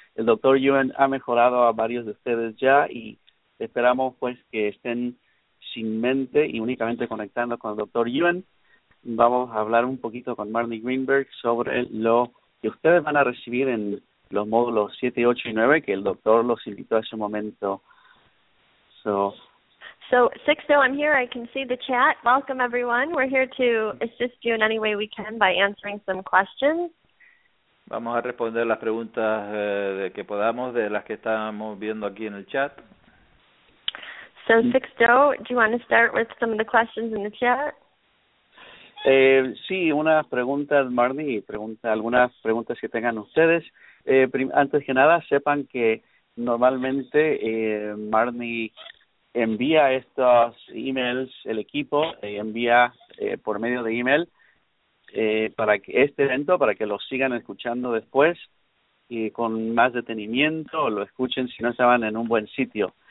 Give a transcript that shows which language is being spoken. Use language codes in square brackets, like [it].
[es] El doctor Yuan ha mejorado a varios de ustedes ya y esperamos pues que estén sin mente y únicamente conectando con el doctor Yuan. Vamos a hablar un poquito con Marnie Greenberg sobre lo que ustedes van a recibir en los módulos 7, 8 y 9 que el doctor los invitó hace un momento. [en] So, Sixto, I'm here. I can see the chat. Welcome, everyone. We're here to assist you in any way we can by answering some questions. [es] Vamos a responder las preguntas de que podamos, de las que estamos viendo aquí en el chat. [en] So, Sixto, do you want to start with some of the questions in the chat? [es] Sí, unas preguntas, Marnie, algunas preguntas que tengan ustedes. Antes que nada, sepan que normalmente Marnie envía estos emails, el equipo envía por medio de email para que este evento, para que lo sigan escuchando después y con más detenimiento, lo escuchen si no estaban en un buen sitio.